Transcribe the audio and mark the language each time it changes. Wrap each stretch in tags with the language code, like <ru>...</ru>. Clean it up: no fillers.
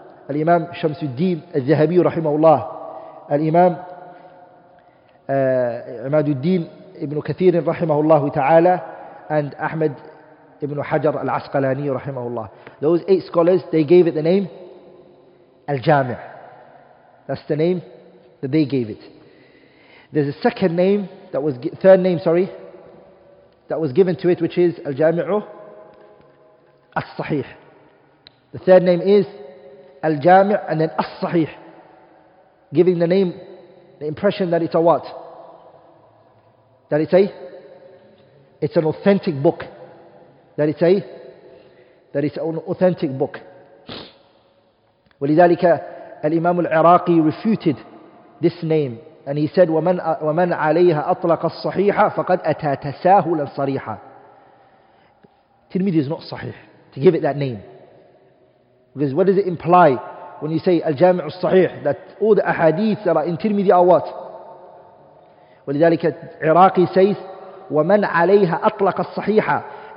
<ar>الإمام شمس الدين الذهبي رحمه الله الإمام عماد الدين ابن كثير رحمه الله تعالى and أحمد ابن حجر العسقلاني رحمه الله.</ar> <en>Those 8 scholars, they gave it the name الجامع. That's the name that they gave it. There's a second name that was third name sorry that was given to it, which is الجامع الصحيح. The third name is Al-Jami' and then As-Sahih, giving the name, the impression that it's a what? That it's a? It's an authentic book. That it's a? That it's an authentic book.</en> <ar>ولذلك الإمام العراقي</ar> <en>refuted this name and he said</en> <ar>ومن عليها أطلق الصحيحة فقد أتى تساهلا صريحة.</ar> <en>Tirmidhi is not صحيح to give it that name. Because what does it imply when you say Al-Jami' al-Sahih, that all the ahadith that are in Tirmidhi are what?</en> <ar>ولذلك Iraqi says وَمَنْ عَلَيْهَا أَطْلَقَ الصَّحِيحَ.</ar>